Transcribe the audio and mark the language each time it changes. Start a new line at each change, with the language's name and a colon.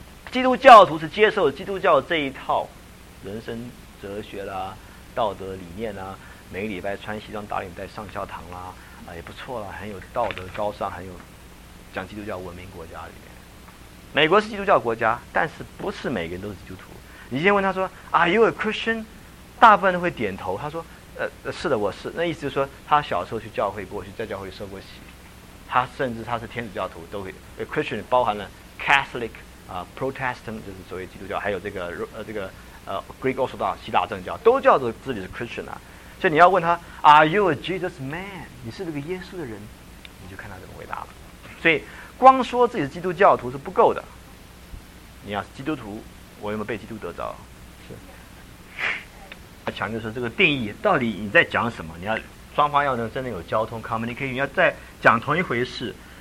Chinese: 基督教徒是接受基督教这一套人生哲学啦、道德理念啦，每个礼拜穿西装打领带上教堂啦，也不错啦，很有道德高尚，很有讲基督教文明国家里面。美国是基督教国家，但是不是每个人都是基督徒。你先问他说 ，
English: Are you a Christian？
Chinese: 大部分都会点头。他说。是的，我是。那意思就是说，他小时候去教会过，去在教会受过洗，他甚至他是天主教徒都会。 Christian 包含了 Catholic Protestant 就是所谓基督教，还有这个 Greek Orthodox 希腊正教，都叫做自己是 Christian 啊。所以你要问他 ，
English: Are you a Jesus man？
Chinese: 你是这个耶稣的人，你就看他怎么回答了。所以光说自己是基督教徒是不够的，你要是基督徒，我有没有被基督得着？强调说这个定义到底你在讲什么，你要双方要能真的有交通 communication， 要再讲同一回事。